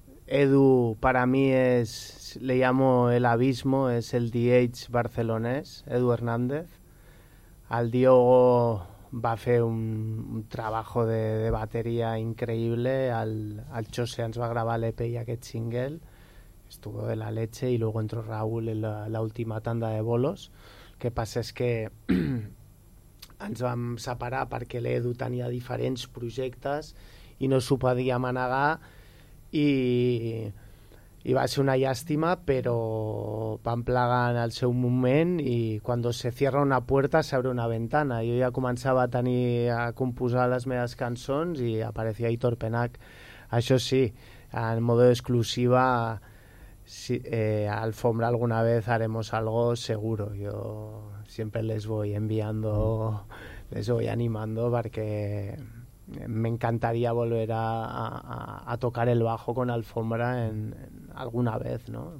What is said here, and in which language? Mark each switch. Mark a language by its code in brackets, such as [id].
[es] Edu, para mí es, le llamo el abismo, es el DH barcelonés, Edu Hernández. Al Diogo va fer un trabajo de batería increíble, al Chose [ca] ens va gravar l'EP i aquest single, [es] estuvo de la leche, y luego entró Raúl en la última tanda de bolos. [ca] El que passa és que ens vam separar perquè l'Edu tenia diferents projectes i no s'ho podíem anegar, i va ser una llàstima, però van plegar en el seu moment, i quan [es] se cierra una puerta s'abre una ventana. [ca] Jo ja començava a composar les meves cançons i apareixia Aitor Penac. [es] Això sí, en modo exclusiva, si, Alfombra, alguna vez haremos algo seguro. [ca] Jo sempre [es] les voy enviando, les voy animando, perquè me encantaría volver a tocar el bajo con Alfombra en alguna vez, ¿no?